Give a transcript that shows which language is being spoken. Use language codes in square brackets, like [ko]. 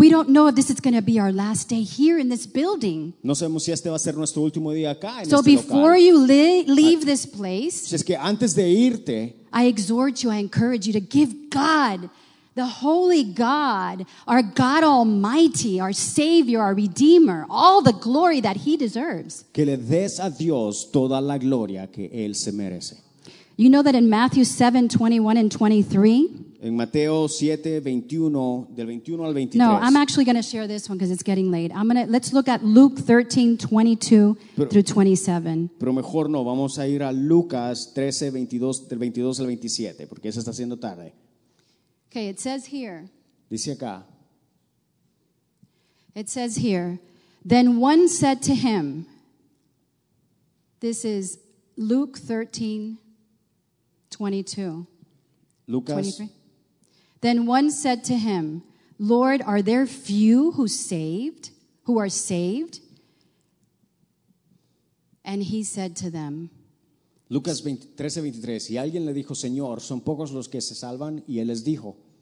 [en] We don't know if this is going to be our last day here in this building. [es] No sabemos si este va a ser nuestro último día acá, en [en] so [es] este [en] before [es] local. [en] You leave this place, [es] si es que antes de irte, [en] I exhort you, I encourage you to give God, the Holy God, our God Almighty, our Savior, our Redeemer, all the glory that He deserves. [es] Que le des a Dios toda la gloria que Él se merece. [en] You know that in Matthew 7, 21 and 23, [es] en Mateo 7, 21, del 21 al 23. [en] No, I'm actually going to share this one because it's getting late. Let's look at Luke 13, 22 through 27. [es] Pero mejor no, vamos a ir a Lucas 13, 22, del 22 al 27, porque se está haciendo tarde. [en] Okay, it says here. [es] Dice acá. [en] It says here. Then one said to him, this is Luke 13, 22. [es] Lucas 23. [en] Then one said to him, Lord, are there few who saved, who are saved? And he said to them, [es] Lucas 13:23, y alguien le dijo, Señor, son pocos los que se salvan, y él les dijo.